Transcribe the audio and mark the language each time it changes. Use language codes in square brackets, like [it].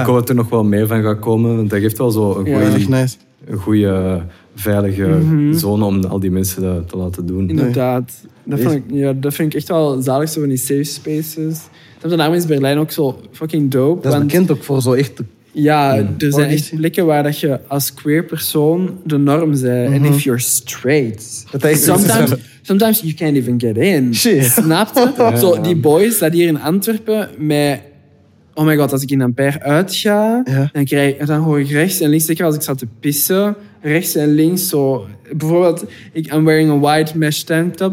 [nl] Ik hoop dat er nog wel meer van gaat komen. Want dat geeft wel zo een goede, veilige zone om al die mensen dat te laten doen. Inderdaad. Dat vind ik echt wel zalig, zo van die safe spaces. Daarom is Berlijn ook zo [en] fucking dope. [nl] Dat is bekend ook voor zo echt. Er zijn echt plekken waar dat je als queer persoon de norm bent. [en] En if you're straight, sometimes you can't even get in. [nl] Snap je? Zo, die boys dat hier in Antwerpen met, oh my god, als ik in Ampère uitga, dan hoor ik rechts en links, zeker als ik zat te pissen, rechts en links, zo, bijvoorbeeld, [en] I'm wearing a white mesh tank top.